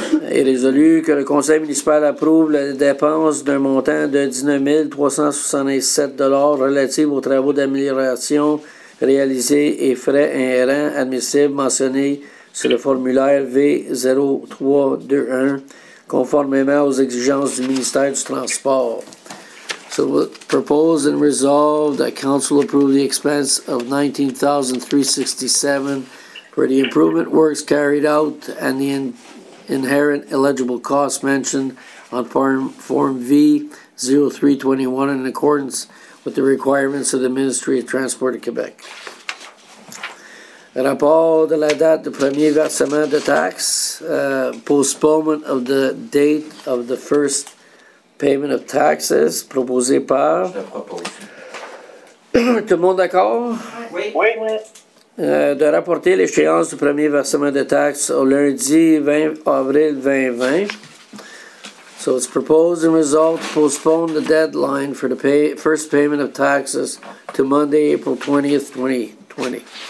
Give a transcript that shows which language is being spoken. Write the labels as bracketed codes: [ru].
[fr] Et résolu que le conseil municipal approuve la dépense d'un montant de 19 367 $ relative aux travaux d'amélioration réalisés et frais inhérents admissibles mentionnés sur le formulaire V0321 conformément aux exigences du ministère du Transport. [en] So, proposed and resolved that Council approve the expense of $19,367 for the improvement works carried out and the inherent eligible costs mentioned on Form V0321 in accordance with the requirements of the Ministry of Transport of Quebec. [fr] Rapport de la date de premier versement de taxes, [en] postponement of the date of the first Payment of taxes, [fr] proposé par... Je propose. Tout le monde d'accord? Oui. Oui. De rapporter l'échéance du premier versement de taxes au lundi 20 avril 2020. [en] So it's proposed and resolved to postpone the deadline for the first payment of taxes to Monday, April 20th, 2020.